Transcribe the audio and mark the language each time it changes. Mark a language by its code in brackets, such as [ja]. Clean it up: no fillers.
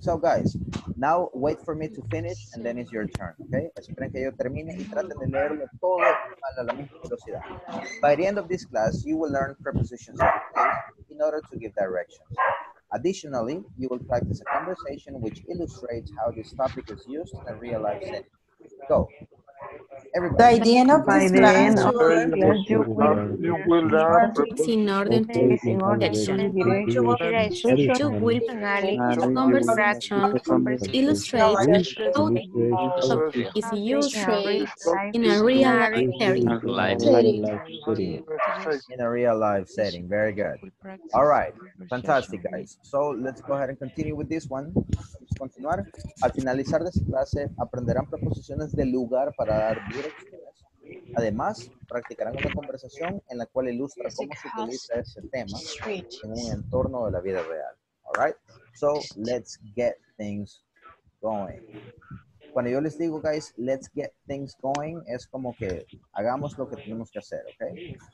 [en] So guys, now wait for me to finish and then it's your turn, okay? [es] Esperen que yo termine y traten de leerlo todo a la misma velocidad. [en] By the end of this class, you will learn prepositions in order to give directions. Additionally, you will practice a conversation which illustrates how this topic is used in a real life setting. Go. Everybody. By the end of this class, you will learn prepositions in order to give directions. You will practice a conversation which illustrates how this topic is used in a real life setting. In a real life setting. Very good. All right. Fantastic, guys. So let's go ahead and continue with this one. [es] Continuar. Al finalizar de esta clase, aprenderán preposiciones de lugar para dar direcciones. Además, practicarán una conversación en la cual ilustra cómo se utiliza ese tema en un entorno de la vida real. [en] All right? So, let's get things going. [es] Cuando yo les digo, guys, [en] let's get things going, [es] es como que hagamos lo que tenemos que hacer, ¿ok?